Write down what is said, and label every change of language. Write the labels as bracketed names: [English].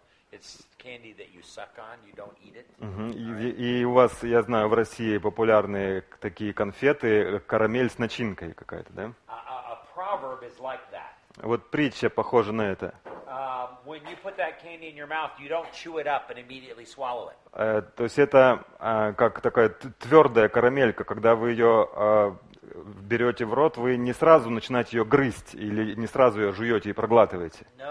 [English] It's candy that you suck on, you don't eat it. [Russian] И у вас, я знаю, в России популярные такие конфеты, карамель с начинкой какая-то, да? [English] A proverb is like that. [Russian] Вот притча похожа на это. [English] When you put that candy in your mouth, you don't chew it up and immediately swallow it. [Russian] То есть это как такая твердая карамелька, когда вы ее берете в рот, вы не сразу начинаете ее грызть или не сразу ее жуете и проглатываете.